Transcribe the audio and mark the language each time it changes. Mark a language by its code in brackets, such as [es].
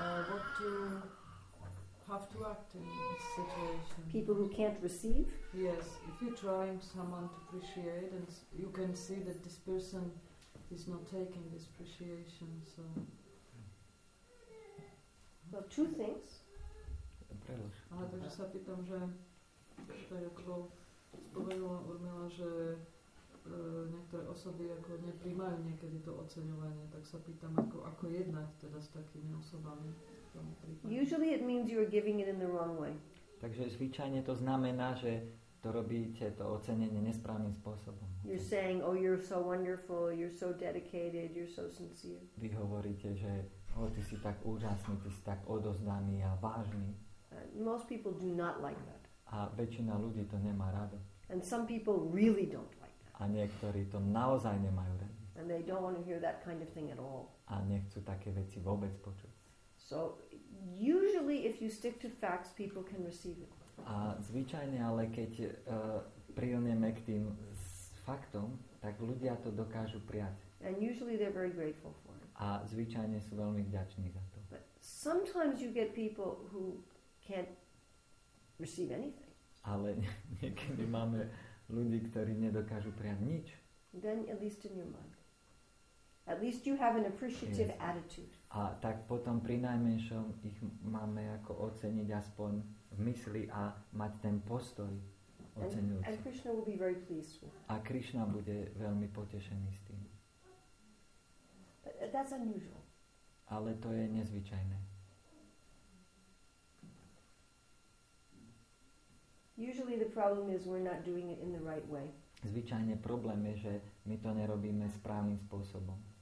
[en] What to have to act in this situation. People who can't receive? Yes. If you're trying someone to appreciate, and you can see that this person is not taking this appreciation, so... Well, two things. [sk] Ale takže sa pýtam, že to je ako spomenula Urmila, že niektoré osoby ako neprijmajú niekedy to oceňovanie, tak sa pýtam, ako jednať teda s takými osobami. [en] Usually it means you are giving it in the wrong way. [sk] Takže zvyčajne to znamená, že to robíte to ocenenie nesprávnym spôsobom. [en] You're saying, oh, you're so wonderful, you're so dedicated, you're so sincere. [sk] Vy hovoríte, že oh, ty si tak úžasný, ty si tak odozdaný a vážny. [en] Most people do not like that. [sk] A väčšina ľudí to nemá rado. [en] And some people really don't like that. [sk] A niektorí to naozaj nemajú rado. [en] And they don't want to hear that kind of thing at all. [sk] A nechcú také veci vôbec počuť. [en] So usually if you stick to facts, people can receive it. [sk] A zvyčajne, ale keď prilnieme k tým faktom, tak ľudia to dokážu prijať. [en] And usually they're very grateful for it. [sk] A zvyčajne sú veľmi vďační za to. [en] But sometimes you get people who can't receive anything. [sk] Ale niekedy máme ľudí, ktorí nedokážu prijať nič. [en] Then at least in your mind. At least you have an appreciative yes. attitude. [sk] A tak potom pri najmenšom ich máme ako oceniť aspoň v mysli a mať ten postoj oceňujúci. [en] And Krishna will be very pleased with. [sk] A Krishna bude veľmi potešený s tým. [en] But that's unusual. [sk] Ale to je nezvyčajné. [en] Usually the problem is we're not doing it in the right way. [sk] Zvyčajne problém je, že my to nerobíme správnym spôsobom.